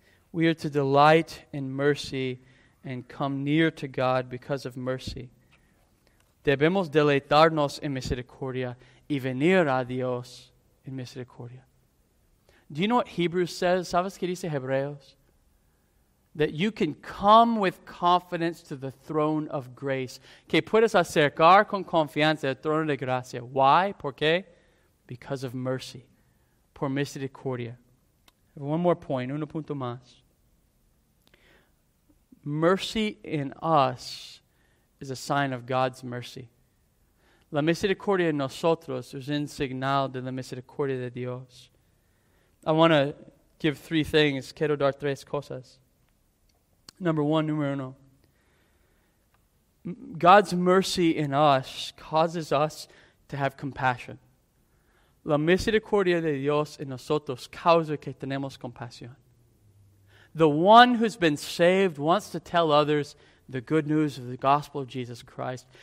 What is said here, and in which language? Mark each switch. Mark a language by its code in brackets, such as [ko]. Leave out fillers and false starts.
[en] We are to delight in mercy and come near to God because of mercy. [es] Debemos deleitarnos en misericordia y venir a Dios en misericordia. [en] Do you know what Hebrews says? [es] ¿Sabes qué dice Hebreos? [en] That you can come with confidence to the throne of grace. [es] Que puedes acercar con confianza al trono de gracia. [en] Why? [es] ¿Por qué? [en] Because of mercy. [es] Por misericordia. [en] One more point. [es] Uno punto más. [en] Mercy in us is a sign of God's mercy. [es] La misericordia en nosotros es un signal de la misericordia de Dios. [en] I want to give three things. [es] Quiero dar tres cosas. [en] Number one, [es] número uno. [en] God's mercy in us causes us to have compassion. [es] La misericordia de Dios en nosotros causa que tenemos compasión. [en] The one who's been saved wants to tell others the good news of the gospel of Jesus Christ.